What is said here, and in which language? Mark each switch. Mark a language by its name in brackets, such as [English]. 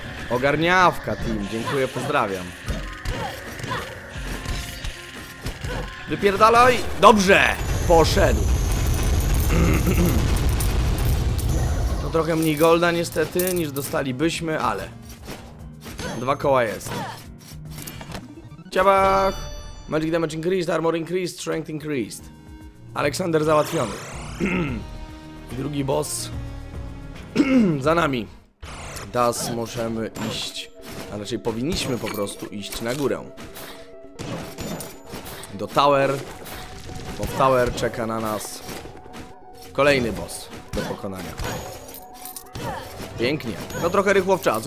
[Polish] Ogarniawka, team. Dziękuję, pozdrawiam. Wypierdalaj! Dobrze! Poszedł. To trochę mniej golda niestety, niż dostalibyśmy, ale... Dwa koła jest. Ciabach! [English] Magic damage increased, armor increased, strength increased. [Polish] Aleksander załatwiony. Drugi boss za nami. Teraz możemy iść, a raczej powinniśmy po prostu iść na górę. Do tower, bo w tower czeka na nas kolejny boss do pokonania. Pięknie. No trochę rychło w czas.